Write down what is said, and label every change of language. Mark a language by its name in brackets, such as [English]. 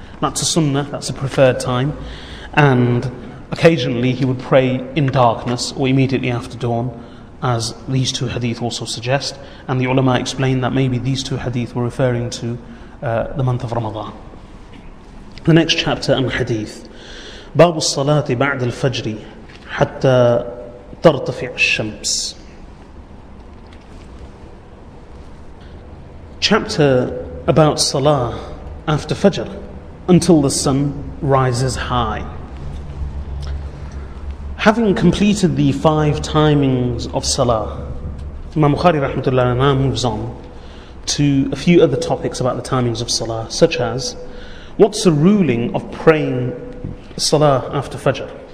[English] That's a sunnah, that's a preferred time. And occasionally he would pray in darkness or immediately after dawn, as these two hadith also suggest. And the ulama explained that maybe these two hadith were referring to the month of Ramadan. The next chapter and hadith. [Arabic] باب الصلاة بعد الفجر حتى ترتفع الشمس. [English] Chapter about salah after Fajr, until the sun rises high. Having completed the five timings of Salah, Imam Bukhari rahmatullahi now moves on to a few other topics about the timings of Salah, such as, what's the ruling of praying Salah after Fajr?